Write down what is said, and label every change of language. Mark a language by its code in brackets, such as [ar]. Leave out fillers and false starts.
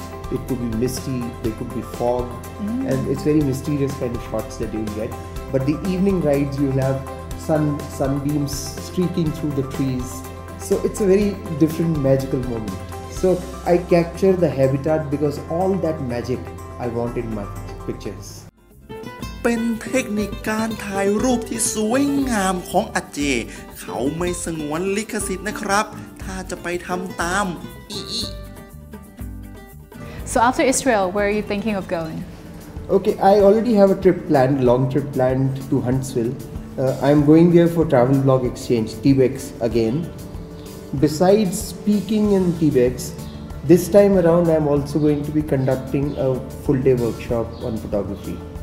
[en] It could be misty, there could be fog, and it's very mysterious kind of shots that you'll get. But the evening rides, you'll have sunbeams streaking through the trees. So it's a very different magical moment. So I capture the habitat because all that magic I want in my pictures. [th] เป็นเทคนิคการถ่ายรูปที่สวยงามของอาเจเขาไม่สงวนลิขสิทธิ์นะครับถ้าจะไปทำตาม [en] So after Israel, where are you thinking of going? Okay, I already have a trip planned, long trip planned to Huntsville. I'm going there for travel blog exchange, TBEX again. Besides speaking in TBEX, this time around I'm also going to be conducting a full day workshop on photography.